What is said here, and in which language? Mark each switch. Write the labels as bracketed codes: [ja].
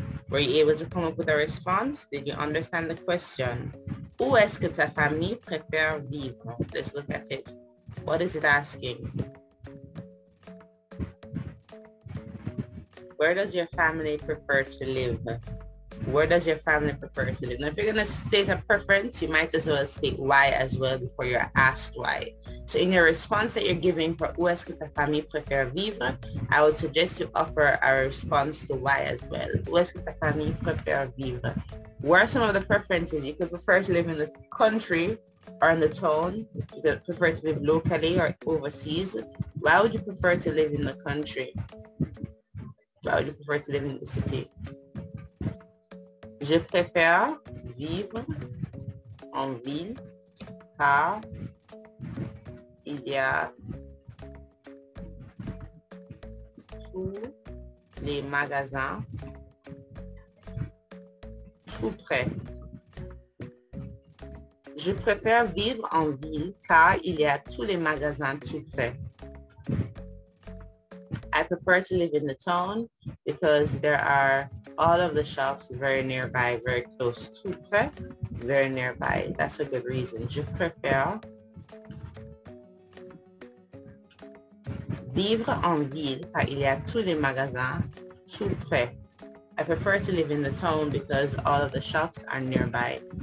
[en] Were you able to come up with a response? Did you understand the question? [fr] Où est-ce que ta famille préfère vivre? [en] Let's look at it. What is it asking? Where does your family prefer to live? Where does your family prefer to live? Now, if you're going to state a preference, you might as well state why as well before you're asked why. So in your response that you're giving for [fr] où est-ce que ta famille préfère vivre, [en] I would suggest you offer a response to why as well. [fr] Où est-ce que ta famille préfère vivre? [en] Where are some of the preferences? You could prefer to live in the country or in the town. You could prefer to live locally or overseas. Why would you prefer to live in the country? Why would you prefer to live in the city? [fr] Je préfère vivre en ville car il y a tous les magasins tout près. Je préfère vivre en ville car il y a tous les magasins tout près. [en] I prefer to live in the town because there are all of the shops very nearby, very close. [fr] Tout près, [en] very nearby. That's a good reason. [fr] Je préfère vivre en ville car il y a tous les magasins tout près. [en] I prefer to live in the town because all of the shops are nearby.